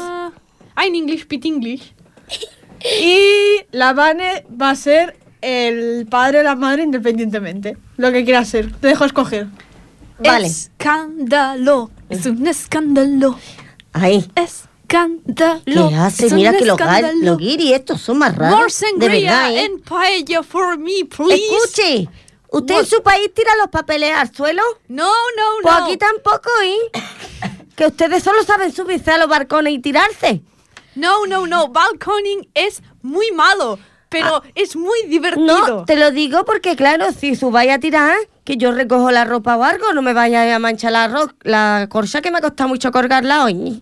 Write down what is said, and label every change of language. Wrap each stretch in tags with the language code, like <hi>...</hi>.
<es>Idioma. Inglés.</es> <en>English, speak English.</en> <es>Y la Vane va a ser el padre o la madre independientemente. Lo que quieras ser. Te dejo escoger. Vale. Escándalo. Es un escándalo. Ahí. Escándalo. ¿Qué hace? Mira que los guiri estos son más raros.</es> <en>More sangria and paella for me, please.</en> <es>Escuche. ¿Usted en su país tira los papeles al suelo? No. Pues aquí tampoco, ¿eh? Que ustedes solo saben subirse a los balcones y tirarse. No. Balconing es muy malo, pero es muy divertido. No, te lo digo porque, claro, si subáis a tirar, que yo recojo la ropa o algo, no me vaya a manchar la corcha, que me ha costado mucho colgarla hoy.</es>